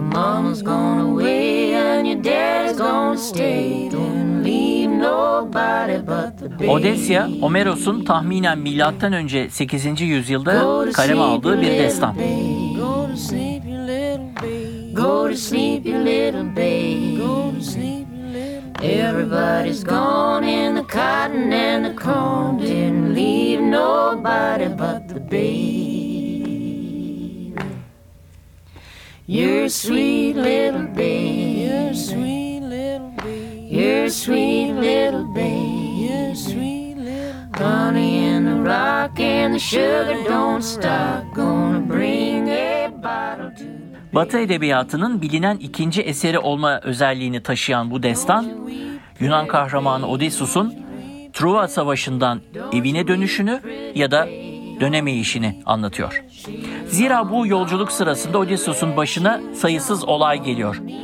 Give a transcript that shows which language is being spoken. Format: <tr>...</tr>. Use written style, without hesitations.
<en>Your mama's gone away and your daddy's gonna stay. Don't leave nobody but the baby.</en> <tr>Odesya, Homeros'un tahminen milattan önce 8. yüzyılda kaleme aldığı bir destan.</tr> <en>Go to sleep, you little baby. Go to sleep, you little baby. Go to sleep, you little baby. Everybody's gone in the cotton and the corn. Didn't leave nobody but the baby. Your sweet little baby, your sweet little baby, your sweet little baby, your sweet little baby. Honey and the rock and the sugar don't stop, gonna bring a bottle to the baby.</en> <tr>Batı edebiyatının bilinen ikinci eseri olma özelliğini taşıyan bu destan, Yunan kahramanı Odysseus'un Truva Savaşı'ndan evine dönüşünü ya da dönemeyişini anlatıyor. Zira bu yolculuk sırasında Odysseus'un başına sayısız olay geliyor.</tr>